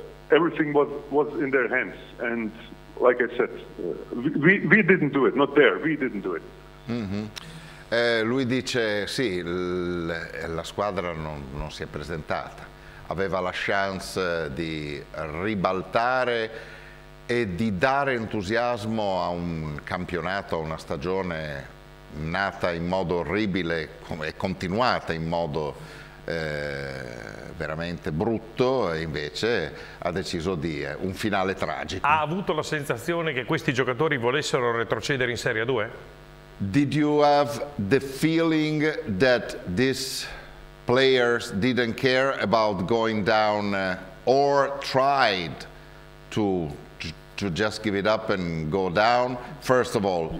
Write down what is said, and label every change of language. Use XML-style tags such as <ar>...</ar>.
<en>Everything was in their hands. And like I said, we didn't do it. Not there. We didn't do it. Mm-hmm.</en> <it>Lui dice, sì, la squadra non si è presentata. Aveva la chance di ribaltare e di dare entusiasmo a un campionato, a una stagione nata in modo orribile e continuata in modo veramente brutto, e invece ha deciso di un finale tragico. Ha avuto la sensazione che questi giocatori volessero retrocedere in Serie 2?</it> <en>Did you have the feeling that these players didn't care about going down or tried to just give it up and go down, first of all?</en>